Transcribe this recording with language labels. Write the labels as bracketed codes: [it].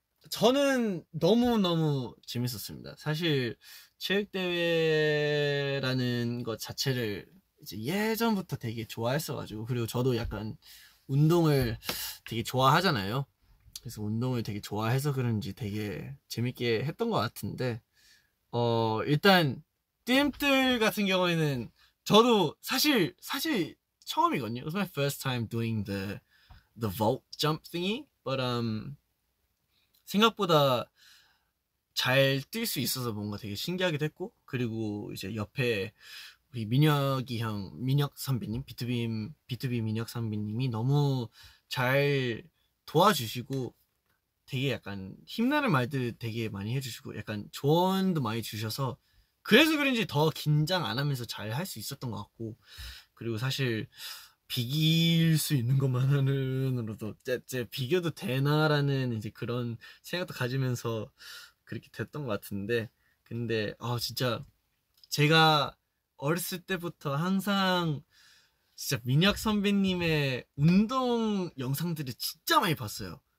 [ko] 저는 너무너무 재밌었습니다. 사실 체육대회라는 것 자체를 이제 예전부터 되게 좋아했어가지고 그리고 저도 약간 운동을 되게 좋아하잖아요. 그래서 운동을 되게 좋아해서 그런지 되게 재밌게 했던 것 같은데 일단 띠엠들 같은 경우에는 저도 사실 처음이거든요. [en] It was my first time doing the vault jump thingy, but [ko] 생각보다 잘 뛸 수 있어서 뭔가 되게 신기하기도 했고, 그리고 이제 옆에 우리 민혁이 형, 민혁 선배님, 비투비 민혁 선배님이 너무 잘 도와주시고, 되게 약간 힘나는 말들 되게 많이 해주시고, 약간 조언도 많이 주셔서, 그래서 그런지 더 긴장 안 하면서 잘 할 수 있었던 것 같고, 그리고 사실 비길 수 있는 것만으로도 이제 비교도 되나라는 이제 그런 생각도 가지면서 그렇게 됐던 것 같은데, 근데 진짜 제가 어렸을 때부터 항상 진짜 민혁 선배님의 운동 영상들을 진짜 많이 봤어요.